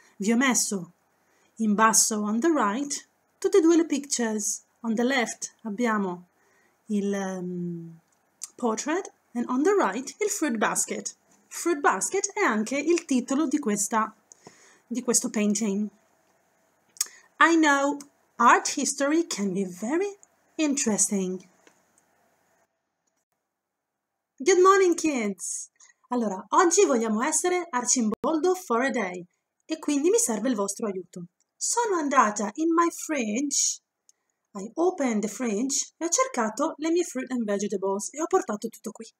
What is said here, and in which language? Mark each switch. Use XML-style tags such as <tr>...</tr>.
<it>Vi ho messo in basso</it> <en>on the right</en> <it>tutte e due le pictures.</it> <en>On the left</en> <it>abbiamo il</it> <en>portrait and on the right il fruit basket. Fruit basket</en> <it>è anche il titolo di questo painting.</it> <en>I know art history can be very interesting. Good morning, kids!</en> <it>Allora, oggi vogliamo essere Arcimboldo</it> <en>for a day</en> <it>e quindi mi serve il vostro aiuto. Sono andata</it> <en>in my fridge, I opened the fridge</en> <it>e ho cercato le mie</it> <en>fruit and vegetables</en> <it>e ho portato tutto qui.</it>